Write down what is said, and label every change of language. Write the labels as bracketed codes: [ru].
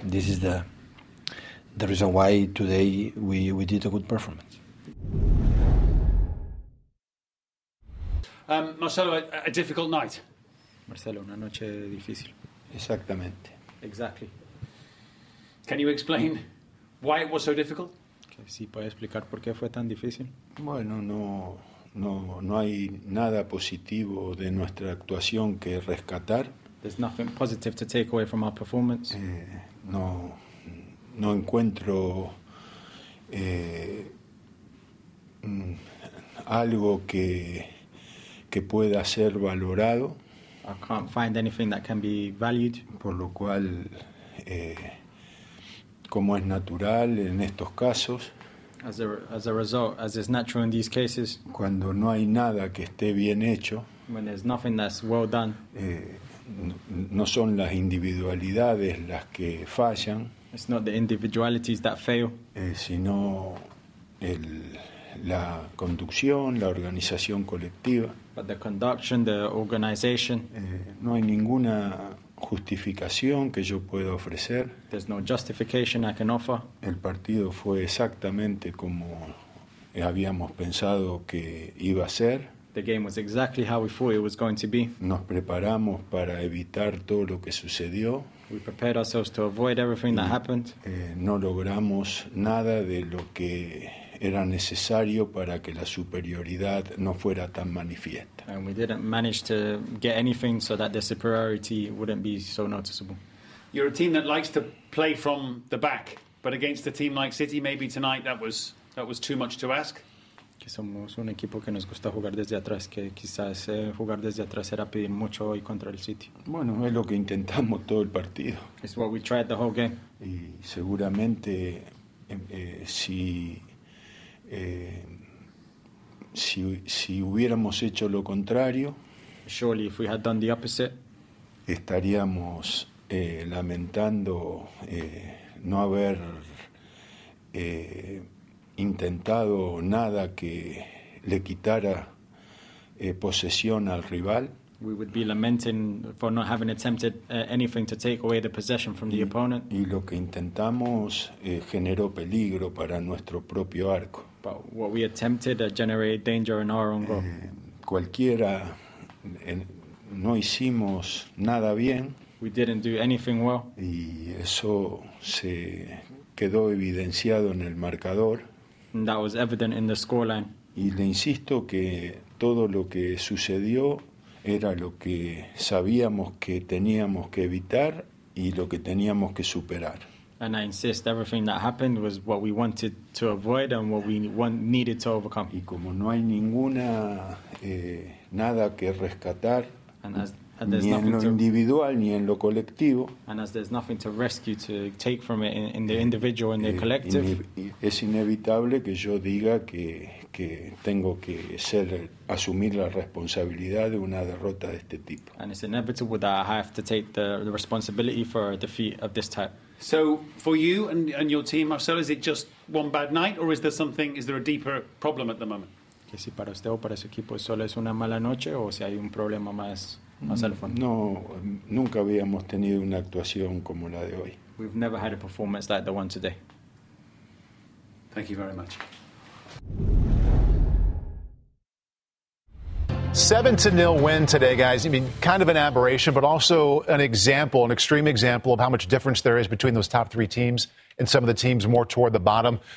[en] This is the reason why today we did a good performance. Marcelo, a difficult night. [es] Marcelo, una noche difícil. Exactamente. [en] Exactly. Can you explain why it was so difficult? [es] Si puede explicar por qué fue tan difícil. Bueno, no hay nada positivo de nuestra actuación que rescatar. [en] There's nothing positive to take away from our performance. [es] No encuentro algo que pueda ser valorado. [en] I can't find anything that can be valued. [es] Por lo cual, como es natural en estos casos, [en] as a result, as is natural in these cases, [es] cuando no hay nada que esté bien hecho, [en] when there's nothing that's well done, [es] no son las individualidades las que fallan, [en] it's not the individualities that fail, [es] sino el la conducción, la organización colectiva. [en] But the conduction, the organization. [es] No hay ninguna justificación que yo pueda ofrecer. [en] There's no justification I can offer. [es] El partido fue exactamente como habíamos pensado que iba a ser. [en] The game was exactly how we thought it was going to be. [es] Nos preparamos para evitar todo lo que sucedió. [en] We prepared ourselves to avoid everything that happened. [es] No logramos nada de lo que era necesario para que la superioridad no fuera tan manifiesta. [en] And we didn't manage to get anything so that the superiority wouldn't be so noticeable. You're a team that likes to play from the back, but against a team like City, maybe tonight that was too much to ask. [es] Que somos un equipo que nos gusta jugar desde atrás, que quizás jugar desde atrás era pedir mucho hoy contra el City. Bueno, es lo que intentamos todo el partido. [en] It's what we tried the whole game. [es] Y seguramente si hubiéramos hecho lo contrario, [en] surely if we had done the opposite, [es] estaríamos lamentando no haber intentado nada que le quitara posesión al rival. [en] We would be lamenting for not having attempted anything to take away the possession from the opponent. [es] Y lo que intentamos generó peligro para nuestro propio arco. [en] But what we attempted generated danger in our own goal. [es] Cualquiera, no hicimos nada bien. [en] We didn't do anything well. [es] Y eso se quedó evidenciado en el marcador. [en] And that was evident in the scoreline. [es] Y le insisto que todo lo que sucedió era lo que sabíamos que teníamos que evitar y lo que teníamos que superar. [en] And I insist everything that happened was what we wanted to avoid and what we needed to overcome. [es] Y como no hay ninguna nada que rescatar, [en] and as, [es] And ni en lo individual ni en lo colectivo. [en] And as there's nothing to rescue to take from it in the individual and the collective. [es] Es inevitable que yo diga que tengo que ser asumir la responsabilidad de una derrota de este tipo. [en] And it's inevitable that I have to take the responsibility for a defeat of this type. So for you and your team, Marcel, is it just one bad night, or is there something? Is there a deeper problem at the moment? [es] Que si para usted o para su equipo solo es una mala noche o si hay un problema más. No, nunca habíamos tenido una actuación como la de hoy. [en] We've never had a performance like the one today. Thank you very much. 7-0 win today, guys. I mean, kind of an aberration, but also an example, an extreme example of how much difference there is between those top three teams and some of the teams more toward the bottom.